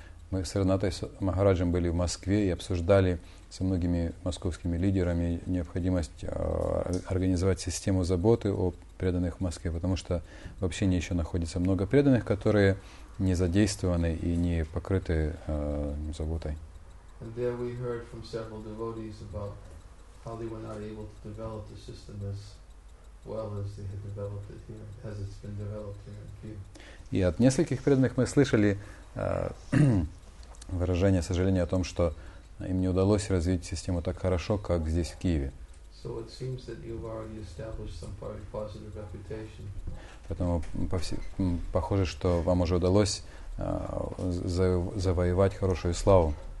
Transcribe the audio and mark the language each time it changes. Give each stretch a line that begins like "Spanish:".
Russian: Мы с Ренатой Махараджем были в Москве и обсуждали со многими московскими лидерами необходимость организовать систему заботы о преданных в Москве, потому что в общине еще находится много преданных, которые не задействованы и не покрыты заботой.
English: And there we heard from several devotees about how they were not able to develop the system as well as they had developed it here, as it's been developed here in Kyiv.
Russian: И от нескольких преданных мы слышали выражение сожаления о том, что им не удалось развить систему так хорошо, как здесь, в Киеве.
English: So it seems that you've already established some very positive reputation.
Russian: Поэтому похоже, что вам уже удалось завоевать хорошую славу.